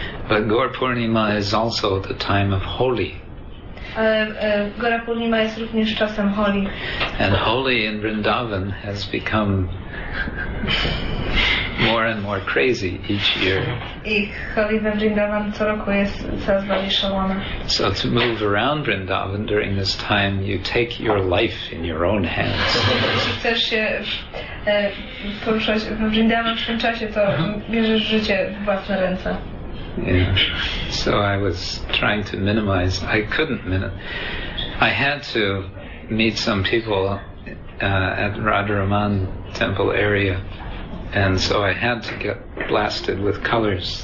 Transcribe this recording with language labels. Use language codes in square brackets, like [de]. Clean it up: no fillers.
[en] But Gaur Purnima is also the time of Holi. [pl] Gaur Purnima jest również czasem Holi. [en] And Holi in Vrindavan has become more and more crazy each year. [pl] I Holi we Vrindavan co roku jest coraz bardziej szalona. [en] So to move around Vrindavan during this time, you take your life in your own hands. [pl] Jeśli chcesz się poruszać we Vrindavan w tym czasie, to bierzesz życie w własne ręce. [en] Yeah. So I was trying to minimize. I couldn't minimize. I had to meet some people at Radharaman temple area. And so I had to get blasted with colors.